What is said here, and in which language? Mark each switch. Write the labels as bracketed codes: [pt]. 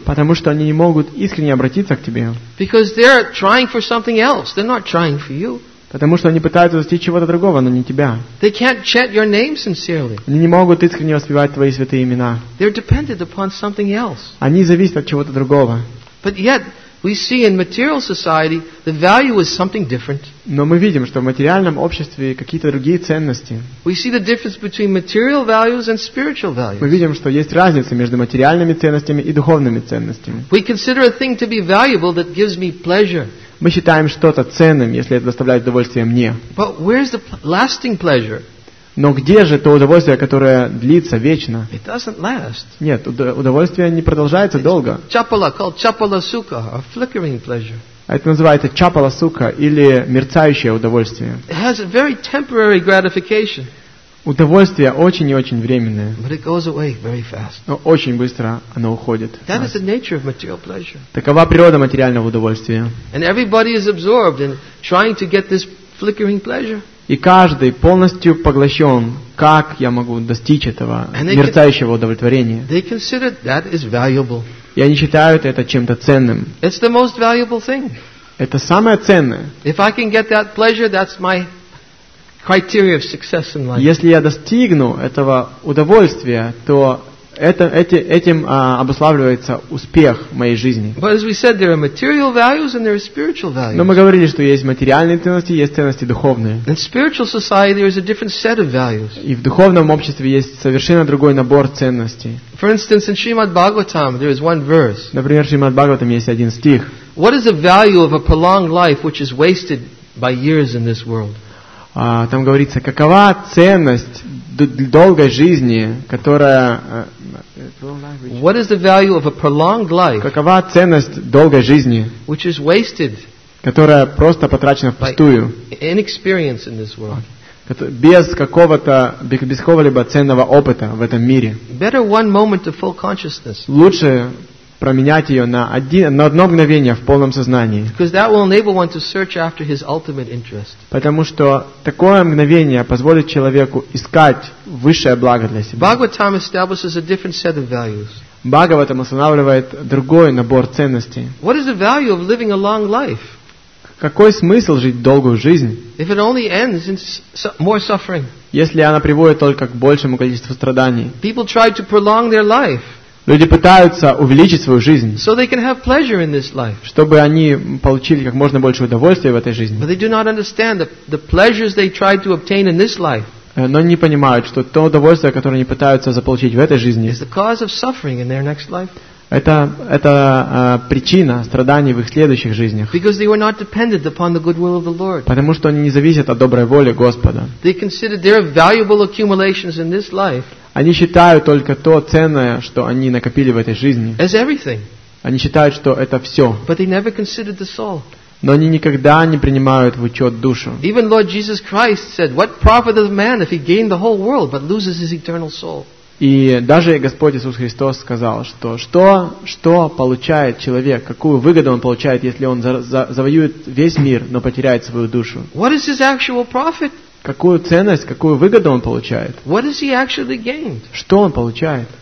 [ru] Потому что они не могут искренне обратиться к тебе. [en] Because they're trying for something else. They're not trying for you. [ru] Потому что они пытаются достичь чего-то другого, но не тебя. [en] They can't chant your name sincerely. [ru] Они не могут искренне воспевать твои святые имена. [en] They're dependent upon something else. [ru] Они зависят от чего-то другого. [en] But yet, we see in material society, the value is something different. [ru] Но мы видим, что в материальном обществе какие-то другие ценности. [en] We see the difference between material values and spiritual values. [ru] Мы видим, что есть разница между материальными ценностями и духовными ценностями. [en] We consider a thing to be valuable that gives me pleasure. [ru] Мы считаем что-то ценным, если это доставляет удовольствие мне. [en] But where's the lasting pleasure? [ru] Но где же то удовольствие, которое длится вечно? [en] It doesn't last. [ru] Нет, удовольствие не продолжается долго. [en] Chapala, called chapala sukha, a flickering pleasure. [ru] Это называется чапала сукха или мерцающее удовольствие. [en] It has a very temporary gratification. [ru] Удовольствие очень и очень временное. [en] But it goes away very fast. [ru] Но очень быстро оно уходит. [en] That is the nature of material pleasure. [ru] Такова природа материального удовольствия. [en] And everybody is absorbed in trying to get this flickering pleasure. [ru] И каждый полностью поглощен, как я могу достичь этого мерцающего удовлетворения. [en] They consider that is valuable. [ru] И они считают это чем-то ценным. [en] It's the most valuable thing. [ru] Это самое ценное. [en] If I can get that pleasure, that's my criteria of success in life. [ru] Если я достигну этого удовольствия, то этим обуславливается успех в моей жизни. [en] But as we said, there are material values and there are spiritual values. [ru] Но мы говорили, что есть материальные ценности, есть ценности духовные. [en] In spiritual society, there is a different set of values. [ru] И в духовном обществе есть совершенно другой набор ценностей. [en] For instance, in Srimad Bhagavatam, there is one verse. [ru] Например, в Шримад Бхагаватам есть один стих. [en] What is the value of a prolonged life which is wasted by years in this world? [ru] Там говорится, какова ценность долгой жизни, которая... [en] What is the value of a prolonged life? [ru] Какова ценность долгой жизни? [en] Which is wasted. [ru] Которая просто потрачена впустую. [en] Inexperience in this world. [ru] Без какого-то, без какого-либо ценного опыта в этом мире. [en] Better one moment of full consciousness. [ru] Лучше променять ее на одно мгновение в полном сознании. [en] Because that will enable one to search after his ultimate interest. [ru] Потому что такое мгновение позволит человеку искать высшее благо для себя. [en] Bhagavatam establishes a different set of values. [ru] Бхагаватам устанавливает другой набор ценностей. [en] What is the value of living a long life? [ru] Какой смысл жить долгую жизнь? [en] If it only ends in more suffering. [ru] Если она приводит только к большему количеству страданий. [en] People try to prolong their life. [ru] Люди пытаются увеличить свою жизнь, [en] so they can have pleasure in this life. [ru] Чтобы они получили как можно больше удовольствия в этой жизни. [en] But they do not understand the pleasures they try to obtain in this life. [ru] Но не понимают, что то удовольствие, которое они пытаются заполучить в этой жизни, [en] is the cause of suffering in their next life. [ru] Это причина страданий в их следующих жизнях. [en] Because they were not dependent upon the good will of the Lord. [ru] Потому что они не зависят от доброй воли Господа. [en] They considered their valuable accumulations in this life. [ru] Они считают только то ценное, что они накопили в этой жизни. [en] As everything. [ru] Они считают, что это все. [en] But they never considered the soul. [ru] Но они никогда не принимают в учет душу. [en] Even Lord Jesus Christ said, "What profit is man if he gain the whole world but loses his eternal soul?" [ru] И даже Господь Иисус Христос сказал, что что получает человек, какую выгоду он получает, если он завоюет весь мир, но потеряет свою душу? [en] What is his actual profit? [ru] Какую ценность, какую выгоду он получает? [en] What has he actually gained? [ru] Что он получает?